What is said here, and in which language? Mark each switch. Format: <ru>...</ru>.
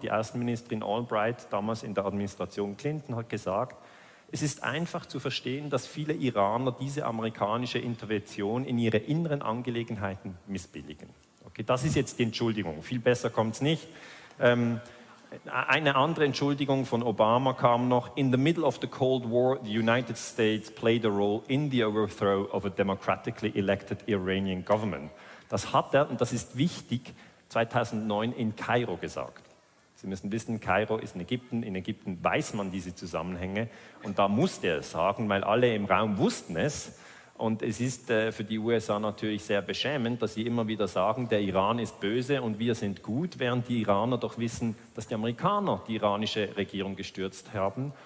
<de>Die Außenministerin Albright, damals in der Administration Clinton, hat gesagt, es ist einfach zu verstehen, dass viele Iraner diese amerikanische Intervention in ihre inneren Angelegenheiten missbilligen. Okay, das ist jetzt die Entschuldigung, viel besser kommt es nicht. Eine andere Entschuldigung von Obama kam noch.</de> <en>In the middle of the Cold War, the United States played a role in the overthrow of a democratically elected Iranian government.</en> <de>Das hat er, und das ist wichtig, 2009 in Kairo gesagt. Sie müssen wissen, Kairo ist in Ägypten. In Ägypten weiß man diese Zusammenhänge. Und da musste er es sagen, weil alle im Raum wussten es. Und es ist für die USA natürlich sehr beschämend, dass sie immer wieder sagen, der Iran ist böse und wir sind gut, während die Iraner doch wissen, dass die Amerikaner die iranische Regierung gestürzt haben.</de>